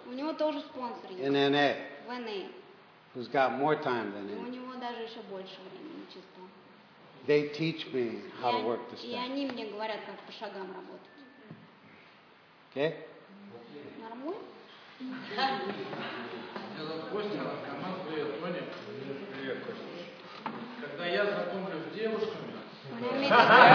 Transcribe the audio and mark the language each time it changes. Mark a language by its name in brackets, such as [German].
[Russian] У него тоже спонсор есть. [English] In NA. [Russian] В NA. [English] Who's got more time than him? [Russian] У него даже еще больше времени чисто. [English] They teach me how to work the step. [Russian] И они мне говорят, как по шагам работать. [English] Okay? [Russian] Нормально? Костя, команда, привет, Тони. Привет, Костя. Когда я знакомлюсь с девушками.